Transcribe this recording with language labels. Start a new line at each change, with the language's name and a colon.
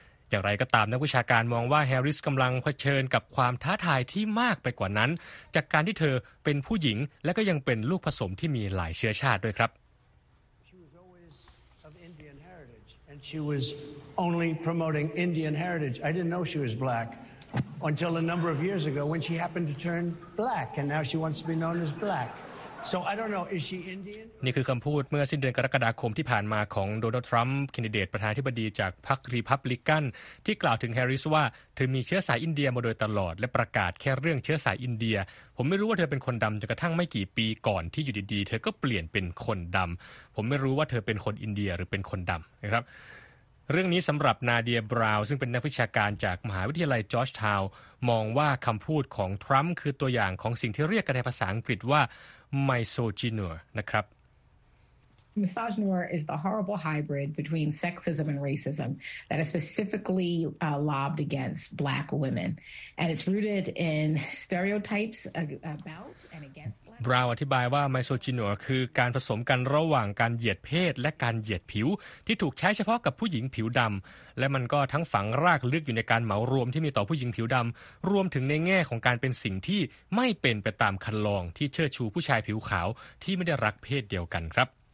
Thai: อย่างไรก็ตามนักวิชาการมองว่าแฮร์ริสกำลังเผชิญกับความท้าทายที่มากไปกว่านั้นจากการที่เธอเป็นผู้หญิงและก็ยังเป็นลูกผสมที่มีหลายเชื้อชาติด้วยครับ
English: She was always of Indian heritage and she was only promoting Indian heritage. I didn't know she was black until a number of years ago when she happened to turn black and now she wants to be known as black. So I don't know, is she Indian?
Thai: นี่คือคำพูดเมื่อสิ้นเดือนกรกฎาคมที่ผ่านมาของโดนัลด์ทรัมป์แคนดิเดตประธานาธิบดีจากพรรครีพับลิกันที่กล่าวถึงแฮร์ริสว่าเธอมีเชื้อสายอินเดียมาโดยตลอดและประกาศแค่เรื่องเชื้อสายอินเดียผมไม่รู้ว่าเธอเป็นคนดำจนกระทั่งไม่กี่ปีก่อนที่อยู่ดีๆเธอก็เปลี่ยนเป็นคนดำผมไม่รู้ว่าเธอเป็นคนอินเดียหรือเป็นคนดำนะครับ เรื่องนี้สำหรับนาเดียบราวน์ซึ่งเป็นนักวิชาการจากมหาวิทยาลัยจอร์จทาวน์มองว่าคำพูดของทรัมป์คือตัวอย่างของสิ่งที่เรียกกันในภาษาอังกฤษว่าMisogynoir นะครับ
English: Misogynoir is the horrible hybrid between sexism and racism that is specifically lobbed against black women and it's rooted in stereotypes about and against black
Thai: บราวอธิบายว่า Misogynoir คือการผสมกันระหว่างการเหยียดเพศและการเหยียดผิวที่ถูกใช้เฉพาะกับผู้หญิงผิวดำและมันก็ทั้งฝังรากลึกอยู่ในการเหมารวมที่มีต่อผู้หญิงผิวดำรวมถึงในแง่ของการเป็นสิ่งที่ไม่เป็นไปตามคันลองที่เชิดชูผู้ชายผิวขาวที่ไม่ได้รักเพศเดียวกันครับ